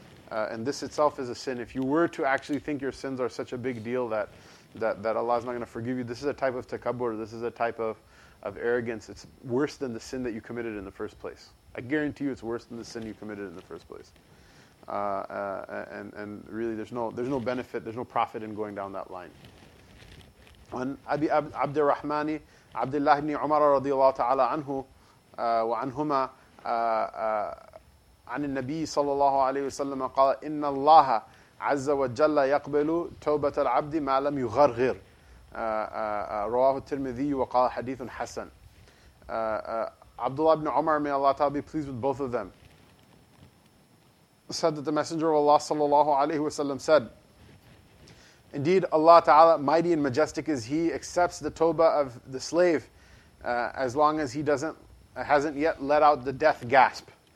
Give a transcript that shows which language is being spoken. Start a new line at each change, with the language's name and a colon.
English: And this itself is a sin. If you were to actually think your sins are such a big deal that Allah is not going to forgive you, this is a type of takabbur. This is a type of arrogance. It's worse than the sin that you committed in the first place. I guarantee you it's worse than the sin you committed in the first place. And really there's no benefit, there's no profit in going down that line.
Arabic: When Abi Abdurrahmani, Abdullah ibn Umar radiallahu ta'ala anhu, wa anhuma, عن النبي صلى الله عليه وسلم قال إن الله عز وجل يقبل توبة العبد ما لم يغرغر رواه الترمذي وقال حديث حسن.
English: Abdullah ibn Umar, may Allah Ta'ala be pleased with both of them, said that the Messenger of Allah
Arabic: صلى الله عليه وسلم
English: said, indeed Allah Ta'ala, mighty and majestic is He, accepts the tawbah of the slave as long as he hasn't yet let out the death gasp.